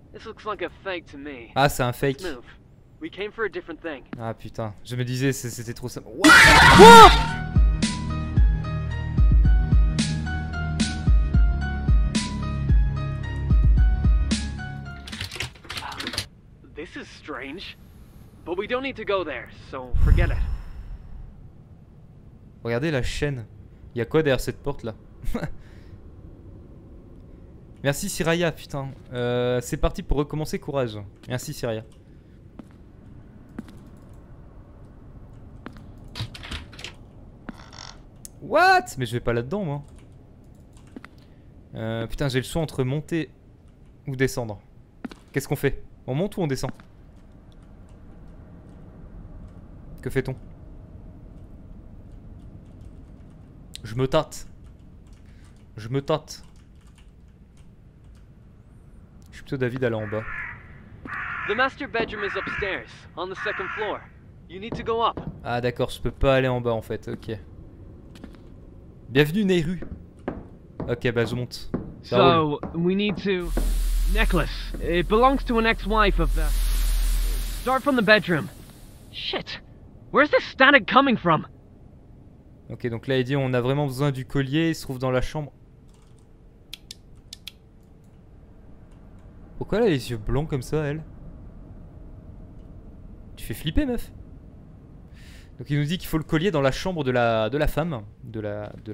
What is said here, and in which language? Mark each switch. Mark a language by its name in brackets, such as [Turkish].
[English] This looks like a fake to me. [French] Ah, c'est un fake. [English] We came for a different thing. [French] Ah putain, je me disais c'était trop simple. Quoi? [English] This is strange. But we don't need to go there, so forget it. [French] Regardez la chaîne. Il y a quoi derrière cette porte là? Merci Siraya, putain. C'est parti pour recommencer, courage. Merci Siraya. [English] What? [French] Mais je vais pas là-dedans moi. Putain, j'ai le choix entre monter ou descendre. Qu'est-ce qu'on fait? On monte ou on descend? Que fait-on? Je me tâte. Je me tâte. Je suis plutôt d'avis d'aller en bas. [English] The master bedroom is upstairs, on the second floor. You need to go up. [French] Ah d'accord, je peux pas aller en bas en fait. Ok. Bienvenue Nehru. Ok, bah je monte. [English] So we need to necklace. It belongs to an ex-wife of the. Start from the bedroom. Shit. Where's this static coming from? [French] Ok, donc là il dit on a vraiment besoin du collier, il se trouve dans la chambre. Pourquoi elle a les yeux blancs comme ça, elle? Tu fais flipper, meuf. Donc il nous dit qu'il faut le collier dans la chambre de la femme. De la...